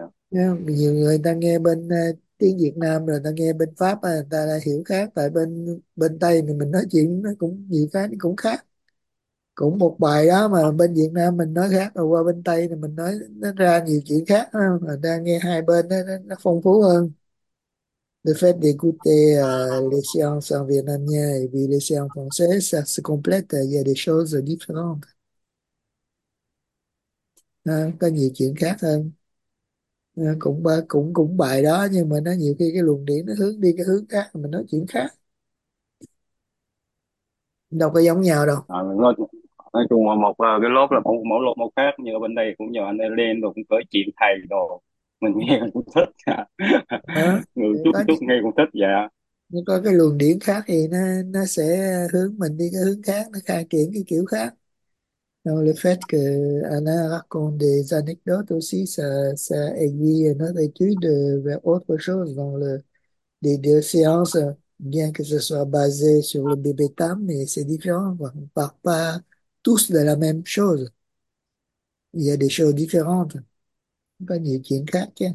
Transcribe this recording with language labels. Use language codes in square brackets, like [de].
[vi] Nhiều người ta nghe bên tiếng Việt Nam rồi ta nghe bên Pháp người ta đã hiểu khác, tại bên bên Tây thì mình nói chuyện nó cũng nhiều cái nó cũng khác, cũng một bài đó mà bên Việt Nam mình nói khác rồi qua bên Tây thì mình nói nó ra nhiều chuyện khác, người ta nghe hai bên nó phong phú hơn. [fr] Le fait d'écouter les séances en vietnamien et puis les séances françaises, ça se complète, il y a des choses différentes. [vi] Có nhiều chuyện khác hơn. Cũng cũng cũng bài đó nhưng mà nó nhiều khi cái luồng điển nó hướng đi cái hướng khác, mình nói chuyện khác. Đâu có giống nhau đâu. Nói chung là một cái lớp là một mẫu lớp một khác, như ở bên đây cũng nhờ anh ấy lên rồi cũng cởi chuyện thầy đồ mình nghe cũng thích. Người chút chút nghe cũng thích. Nó có cái luồng điển khác thì nó sẽ hướng mình đi cái hướng khác, nó khai triển cái kiểu khác. [fr] Donc le fait que Anna raconte des anecdotes aussi, ça aiguille notre étude vers autre chose. Donc les deux séances, bien que ce soit basé sur le BB-TAM, mais c'est différent. On ne parle pas tous de la même chose. Il y a des choses différentes. Il y a des choses différentes.